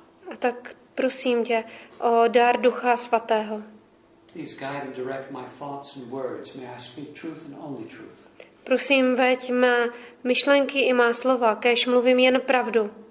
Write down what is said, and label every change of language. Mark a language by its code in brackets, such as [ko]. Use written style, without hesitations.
[cs] A tak prosím tě o dar Ducha Svatého. [en] Please guide and direct my thoughts and words. May I speak truth and only truth. [cs] Prosím, veď mé myšlenky i má slova, kéž mluvím jen pravdu.